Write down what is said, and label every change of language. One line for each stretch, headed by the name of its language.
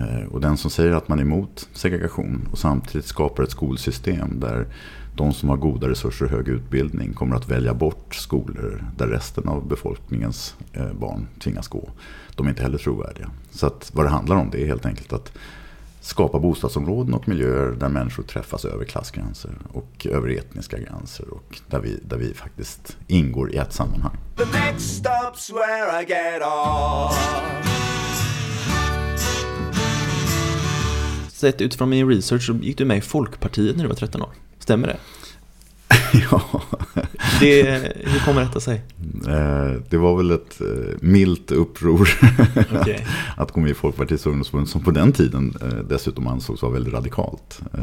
Swedish: Och den som säger att man är emot segregation och samtidigt skapar ett skolsystem där de som har goda resurser och hög utbildning kommer att välja bort skolor där resten av befolkningens barn tvingas gå, de är inte heller trovärdiga. Så att vad det handlar om, det är helt enkelt att skapa bostadsområden och miljöer där människor träffas över klassgränser och över etniska gränser, och där vi faktiskt ingår i ett sammanhang.
English: The next stop's where I get off.
Swedish: Sett utifrån min research så gick du med i Folkpartiet när du var 13 år. Stämmer det? Ja. Hur kommer detta sig? Det var väl ett milt uppror att gå med i Folkpartiets ungdomsförbund, som på den tiden dessutom ansågs vara väldigt radikalt.